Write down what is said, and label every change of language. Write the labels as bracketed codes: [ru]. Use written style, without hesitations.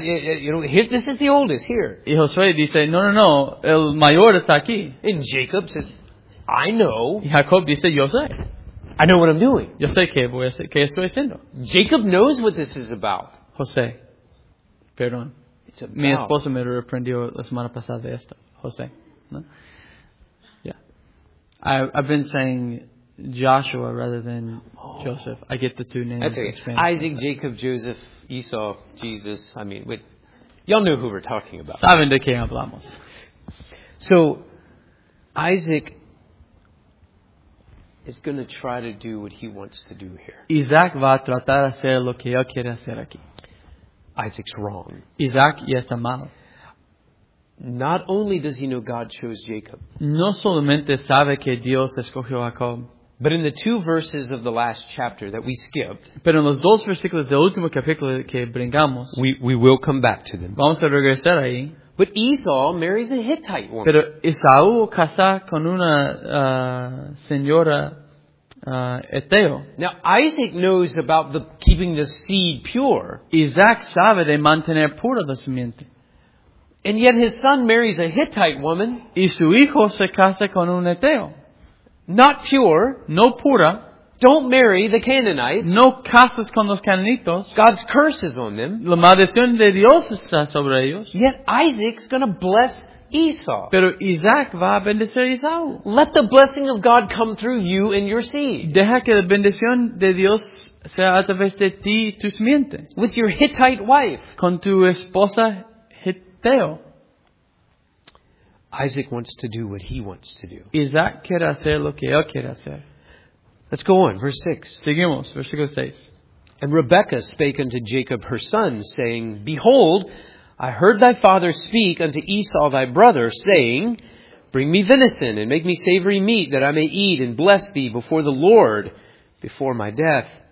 [en] Here, this is the oldest here. [es] Y Josué dice, no, el mayor está aquí. [en] And Jacob says, I know. [es] Y Jacob dice, yo sé. [en] I know what I'm doing. [es] Yo sé qué estoy haciendo. [en] Jacob knows what this is about. [es] José, perdón. [en] It's about. [es] Mi esposo me reprendió la semana pasada de esto. José, ¿no? Yeah. [en] I've been saying Joshua rather than Joseph. I get the two names. Okay. Isaac, Jacob, Joseph, Esau, Jesus. I mean, wait. Y'all know who we're talking about. [es] Saben de quién hablamos. [en] So, Isaac is going to try to do what he wants to do here. [es] Isaac va a tratar de hacer lo que él quiere hacer aquí. [en] Isaac's wrong. [es] Isaac ya está mal. [en] Not only does he know God chose Jacob. [es] No solamente sabe que Dios escogió a Jacob. [en] But in the two verses of the last chapter that we skipped, [es] pero en los dos versículos del último capítulo que brincamos, [en] we will come back to them. [es] Vamos a regresar ahí. [en] But Esau marries a Hittite woman. [es] Pero Esau casa con una señora Eteo. [en] Now Isaac knows about the keeping the seed pure. [es] Isaac sabe de mantener pura la simiente. [en] And yet his son marries a Hittite woman. [es] Y su hijo se casa con un Eteo. [en] Not pure. [es] No pura. [en] Don't marry the Canaanites. [es] No casas con los cananitos. [en] God's curse is on them. [es] La maldición de Dios está sobre ellos. [en] Yet Isaac's going to bless Esau. [es] Pero Isaac va a bendecir a Esau. [en] Let the blessing of God come through you and your seed. [es] Deja que la bendición de Dios sea a través de ti y tu simiente. [en] With your Hittite wife. [es] Con tu esposa Hiteo. [en] Isaac wants to do what he wants to do. [es] Isaac quiere hacer lo que él quiere hacer. [en] Let's go on, verse 6. [es] Seguimos, versículo 6. [en] And Rebekah spake unto Jacob her son, saying, Behold, I heard thy father speak unto Esau thy brother, saying, Bring me venison, and make me savory meat, that I may eat and bless thee before the Lord, before my death.